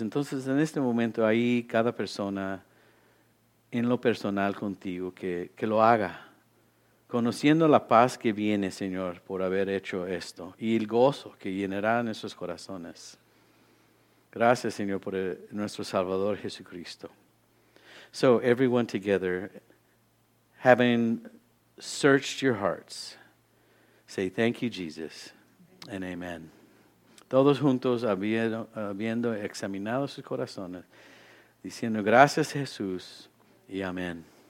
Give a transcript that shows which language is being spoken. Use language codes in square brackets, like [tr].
[es] Entonces, en este momento, ahí cada persona, en lo personal contigo, que lo haga, conociendo la paz que viene, Señor, por haber hecho esto, y el gozo que llenará nuestros corazones. Gracias, Señor, por nuestro Salvador Jesucristo. [en] So, everyone together, having searched your hearts, say thank you, Jesus, and amen. [es] Todos juntos, habiendo examinado sus corazones, diciendo gracias, Jesús, y amén.